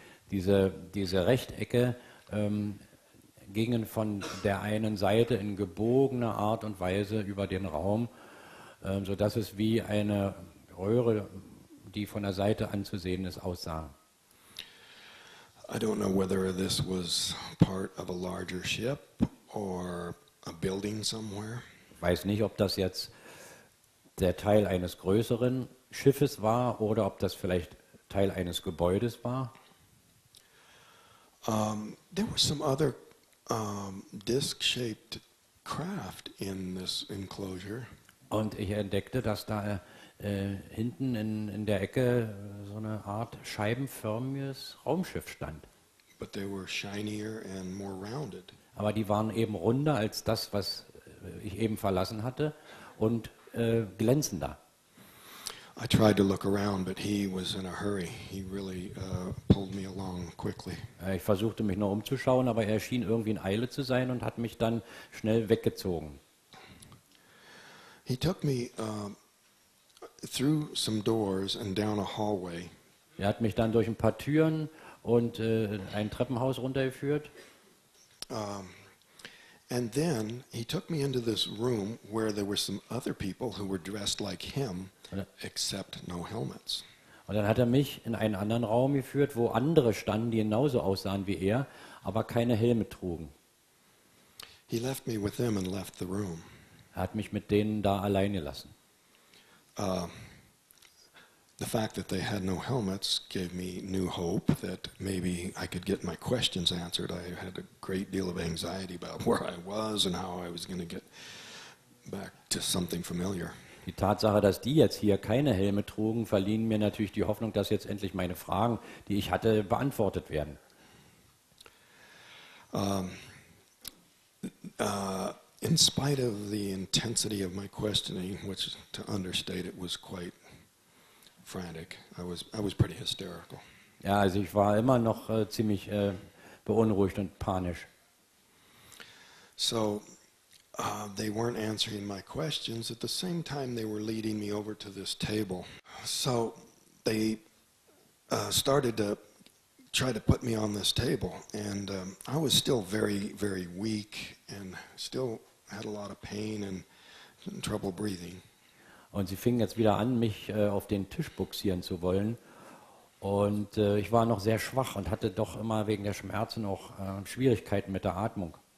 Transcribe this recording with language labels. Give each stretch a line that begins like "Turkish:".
German: Diese Rechtecke gingen von der einen Seite in gebogener Art und Weise über den Raum, so dass es wie eine Röhre, die von der Seite anzusehen ist, aussah.
English: I don't know whether this was part of a larger ship or a building somewhere.
German: Weiß nicht, ob das jetzt der Teil eines größeren Schiffes war oder ob das vielleicht Teil eines Gebäudes war.
English: There were some other disc-shaped craft in this enclosure.
German: Und ich entdeckte, dass da hinten in der Ecke so eine Art scheibenförmiges Raumschiff stand.
English: But they were shinier and more rounded.
German: Aber die waren eben runder als das, was ich eben verlassen hatte, und glänzender.
English: I tried to look around, but he was in a hurry. He really pulled me along quickly.
German: Ich versuchte mich nur umzuschauen, aber er schien irgendwie in Eile zu sein und hat mich dann schnell weggezogen.
English: He took me through some doors and down a hallway.
German: Er hat mich dann durch ein paar Türen und ein Treppenhaus runtergeführt.
English: And then he took me into this room where there were some other people who were dressed like him, except no helmets.
German: Und dann hat er mich in einen anderen Raum geführt, wo andere standen, die genauso aussahen wie er, aber keine Helme trugen.
English: He left me with them and left the room.
German: Er hat mich mit denen da allein gelassen.
English: The fact that they had no helmets gave me new hope that maybe I could get my questions answered. I had a great deal of anxiety about where I was and how I was going to get back to something familiar.
German: Die Tatsache, dass die jetzt hier keine Helme trugen, verliehen mir natürlich die Hoffnung, dass jetzt endlich meine Fragen, die ich hatte, beantwortet werden.
English: In spite of the intensity of my questioning, which to understate it was quite frantic, I was pretty hysterical.
German: Ja, also ich war immer noch ziemlich beunruhigt und panisch.
English: So they weren't answering my questions at the same time they were leading me over to this table. So they started to try to put me on this table, and I was still very, very weak and still had a lot of pain and trouble breathing.
German: Und sie fingen jetzt wieder an, mich auf den Tisch buxieren zu wollen. Und ich war noch sehr schwach und hatte doch immer wegen der Schmerzen auch Schwierigkeiten mit der Atmung.